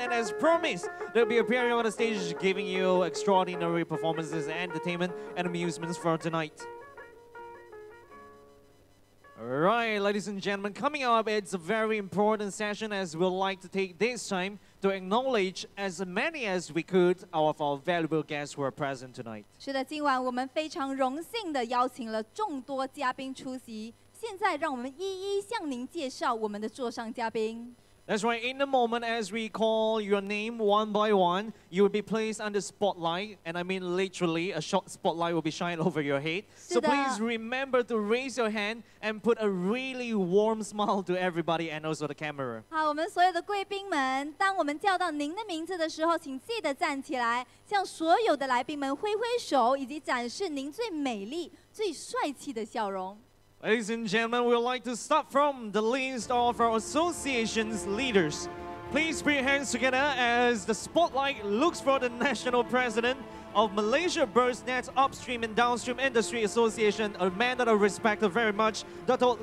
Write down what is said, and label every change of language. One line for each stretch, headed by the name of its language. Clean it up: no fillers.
English: And as promised, they'll be appearing on the stage giving you extraordinary performances, entertainment, and amusements for tonight. Alright, ladies and gentlemen, coming up, it's a very important session as we'd like to take this time to acknowledge as many as we could of our valuable guests who are present tonight.
Chinese: 是的，今晚我们非常荣幸地邀请了众多嘉宾出席。现在让我们一一向您介绍我们的座上嘉宾。
English: That's right, in the moment as we call your name one by one, you will be placed under spotlight, and I mean literally a short spotlight will be shined over your head. So please remember to raise your hand and put a really warm smile to everybody and also the camera.
Chinese: 好，我们所有的贵宾们，当我们叫到您的名字的时候，请记得站起来，向所有的来宾们挥挥手，以及展示您最美丽、最帅气的笑容。
English: Ladies and gentlemen, we would like to start from the list of our association's leaders. Please put your hands together as the spotlight looks for the national president of Malaysia BirdNest Upstream and Downstream Industry Association, a man that I respect very much, Dr.